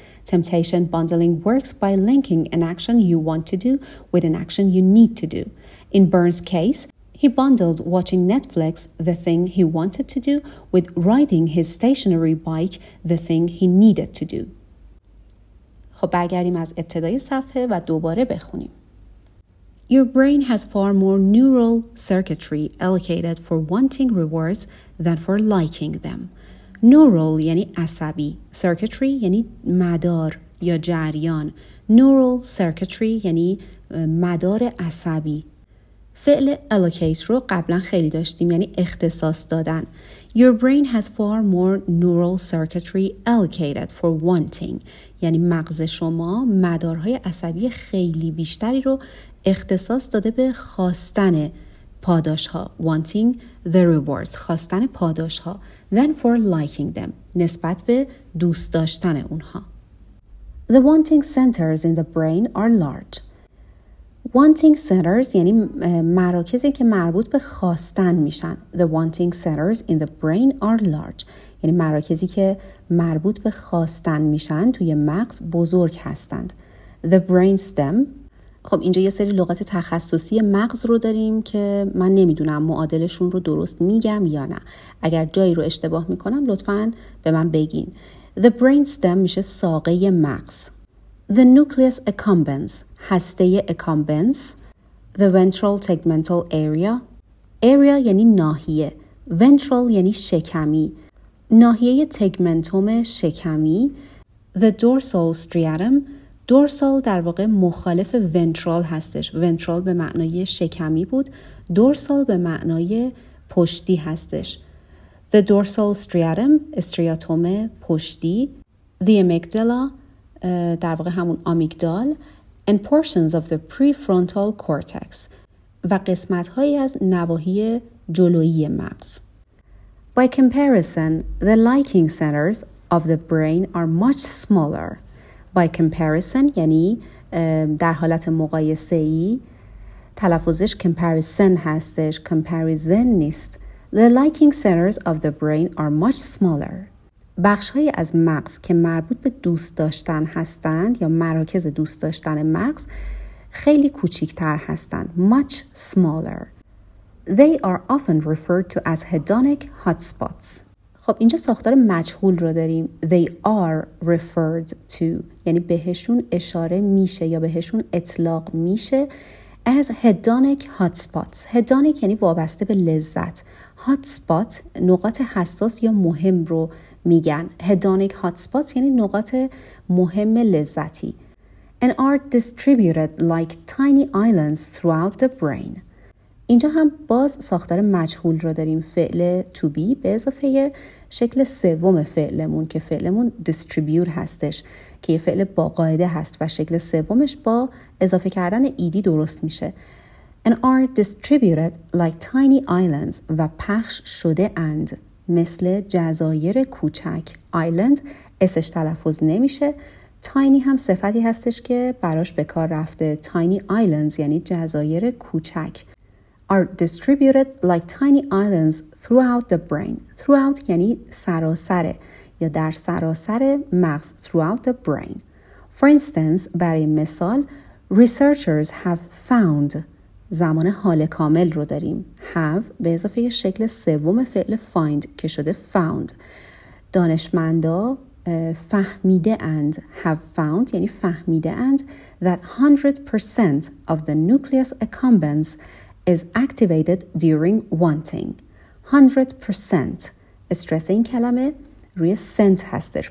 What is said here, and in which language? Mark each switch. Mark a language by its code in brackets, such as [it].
[en] Temptation bundling works by linking an action you want to do with an action you need to do. In Burns' case, he bundled watching Netflix, the thing he wanted to do, with riding his stationary bike, the thing he needed to do. [fa] خب برگردیم از ابتدای صفحه و دوباره بخونیم. [en] Your brain has far more neural circuitry allocated for wanting rewards than for liking them. [fa] Neural یعنی عصبی. Circuitry یعنی مدار یا جریان. Neural circuitry یعنی مدار عصبی. فعل allocate رو قبلا خیلی داشتیم، یعنی اختصاص دادن. [en] Your brain has far more neural circuitry allocated for wanting. [fa] یعنی مغز شما مدارهای عصبی خیلی بیشتری رو اختصاص داده به خواستن پاداش ها. [en] Wanting the rewards. [fa] خواستن پاداش ها. [en] Than for liking them. [fa] نسبت به دوست داشتن اونها. [en] The wanting centers in the brain are large. [fa] Wanting centers یعنی مراکزی که مربوط به خواستن میشن. [en] The wanting centers in the brain are large. [fa] یعنی مراکزی که مربوط به خواستن میشن توی مغز بزرگ هستند. [en] The brain stem. [fa] خب اینجا یه سری لغت تخصصی مغز رو داریم که من نمیدونم معادلشون رو درست میگم یا نه. اگر جایی رو اشتباه میکنم لطفاً به من بگین. [en] The brain stem [fa] میشه ساقه مغز. [en] The nucleus accumbens. [fa] هسته اکامبنس. [en] The ventral tegmental area. [fa] Area یعنی ناحیه. Ventral یعنی شکمی. ناحیه تگمنتوم شکمی. [en] The dorsal striatum. [fa] Dorsal در واقع مخالف ventral هستش. Ventral به معنای شکمی بود. Dorsal به معنای پشتی هستش. [en] The dorsal striatum. [fa] استریاتوم پشتی. [en] The amygdala. [fa] در واقع همون آمیگدال. [en] And portions of the prefrontal cortex. [fa] و قسمت‌هایی از نواحی جلویی مغز. [en] By comparison, the liking centers of the brain are much smaller. By comparison, یعنی [fa] در حالت مقایسه ای، تلفظش comparison هستش، comparison نیست. [en] The liking centers of the brain are much smaller. [fa] بخش های از مغز که مربوط به دوست داشتن هستند یا مراکز دوست داشتن مغز خیلی کوچیک‌تر هستند. [en] Much smaller. They are often referred to as hedonic hotspots. [fa] خب اینجا ساختار مجهول رو داریم. [en] They are referred to. [fa] یعنی بهشون اشاره میشه یا بهشون اطلاق میشه [en] as hedonic hotspots. [fa] Hedonic یعنی وابسته به لذت. Hotspot نقاط حساس یا مهم رو میگن. Hedonic hotspots یعنی نقاط مهم لذتی. [en] And are distributed like tiny islands throughout the brain. [fa] اینجا هم باز ساختار مجهول رو داریم، فعل to be به اضافه شکل سوم فعلمون که فعلمون distribute هستش که یه فعل با قاعده هست و شکل سومش با اضافه کردن ایدی درست میشه. [en] And are distributed like tiny islands [fa] و پخش شده اند مثل جزایر کوچک. Island اسش تلفظ نمیشه. Tiny هم صفتی هستش که براش به کار رفته. Tiny islands یعنی جزایر کوچک. [en] Are distributed like tiny islands throughout the brain. [fa] Throughout یعنی سراسر یا در سراسر مغز. [en] Throughout the brain. For instance, [fa] برای مثال, [en] researchers have found. [fa] زمان حال کامل رو داریم. Have به اضافه شکل سوم فعل find که شده found. دانشمندا فهمیده اند. [en] Have found [fa] یعنی فهمیده اند. [en] That 100% of the nucleus accumbens is activated during wanting. [fa] 100% استرس این کلمه روی سنت هستش.